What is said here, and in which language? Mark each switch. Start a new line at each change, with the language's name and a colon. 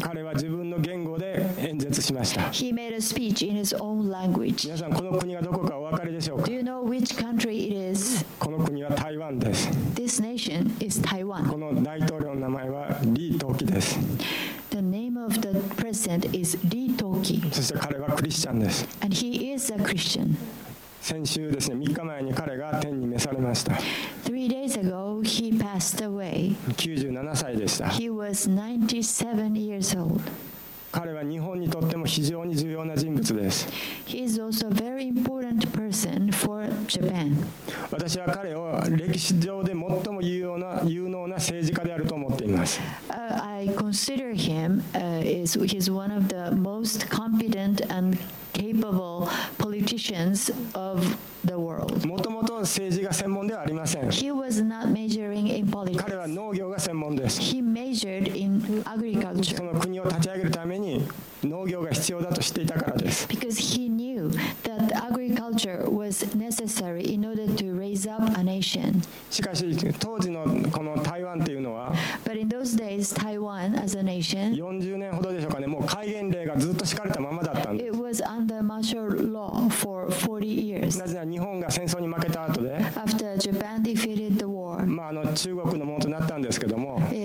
Japanese: 彼は自分の言語で演説しました。
English: He made a speech in his own language.
Japanese: 皆さんこの国がどこかお分かりでしょうか。
English: Do you know which country it is?
Japanese: この国は台湾です。
English: This nation is Taiwan.
Japanese: この大統領の名前はリー・トーキです。
English: The name of the president is Lee Toki.
Japanese: そして彼はクリスチャンです。
English: And he is a Christian.
Japanese: 先週ですね、3日前に彼が天に召されました。
English: 3 days ago, he passed away.
Japanese: 97歳でした。
English: He was 97 years old.
Japanese: 彼は日本にとっても非常に重要な人物です。
English: He is also a very important person for Japan.
Japanese: 私は彼を歴史上で最も有能な政治家であると思っています。
English: I consider him as he's one of the most competent and capable politicians of the world.
Japanese: もともと政治が専門ではありません。
English: He was not majoring in politics.
Japanese: 彼は農業が専門です。
English: He majored in agriculture.
Japanese: その国を立ち上げるために農業が必要だと知っていたからです。
English: Because he knew that agriculture was necessary in order to raise up a nation.
Japanese: しかし当時のこの台湾というのは、
English: But in those days, Taiwan as a nation,
Japanese: 40年ほどでしょうかね、もう戒厳令がずっと敷かれたままだったんです。
English: It was under martial law for 40 years.
Japanese: なぜなら日本が戦争に負けた後で、
English: After Japan defeated the war,
Japanese: まあ中国のものとなったんですけども、